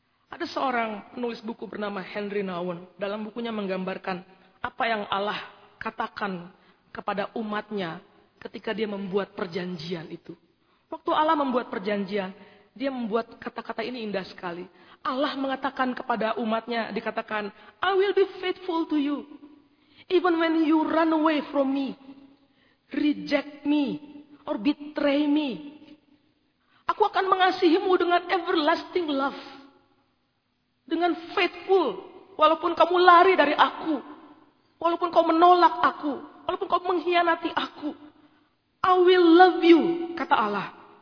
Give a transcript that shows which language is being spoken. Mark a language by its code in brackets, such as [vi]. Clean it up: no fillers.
[id] Ada seorang penulis buku bernama Henry Nouwen. Dalam bukunya menggambarkan apa yang Allah katakan kepada umatnya ketika dia membuat perjanjian itu. Waktu Allah membuat perjanjian, dia membuat kata-kata ini indah sekali. Allah mengatakan kepada umatnya, dikatakan, [en] I will be faithful to you. Even when you run away from me, reject me, or betray me. [id] Aku akan mengasihimu dengan [en] everlasting love. [id] Dengan faithful Walaupun kamu lari dari aku. Walaupun kau menolak aku. Walaupun kau mengkhianati aku. [en] I will love you, [id] kata Allah.